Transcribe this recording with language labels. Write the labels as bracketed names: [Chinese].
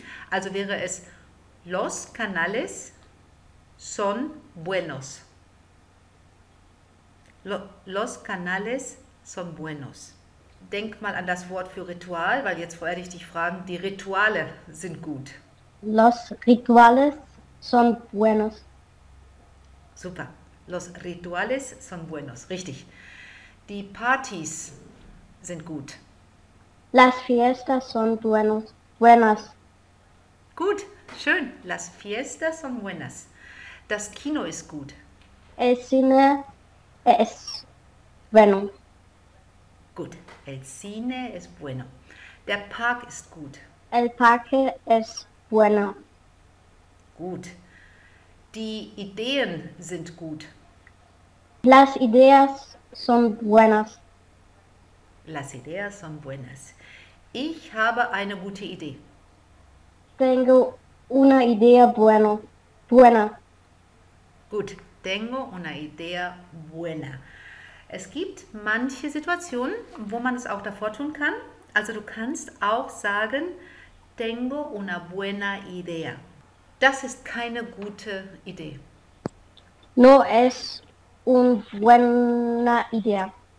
[German] Also wäre es [Spanish] Los Canales son buenos. Los canales son buenos. [German] Denk mal an das Wort für Ritual, weil jetzt wollte ich dich fragen, die Rituale sind gut. [Spanish] Los rituales son buenos. [German] Super. [Spanish] Los rituales son buenos. [German] Richtig. Die Partys sind gut. [Spanish] Las fiestas son buenos, buenas. [German] Gut, schön. [Spanish] Las fiestas son buenas. [German] Das Kino ist gut. [Spanish] El cine es bueno. [German] Gut, [Spanish] el cine es bueno. [German] Der Park ist gut. [Spanish] El parque es bueno. [German] Gut. Die Ideen sind gut. [Spanish] Las ideas son buenas. Las ideas son buenas. [German] Ich habe eine gute Idee. [Spanish] Tengo una idea buena. Gut, tengo una idea buena. [German] Es gibt manche Situationen, wo man es auch davor tun kann. Also du kannst auch sagen, [Spanish] tengo una buena idea. [German] Das ist keine gute Idee. [Spanish] No es una buena idea.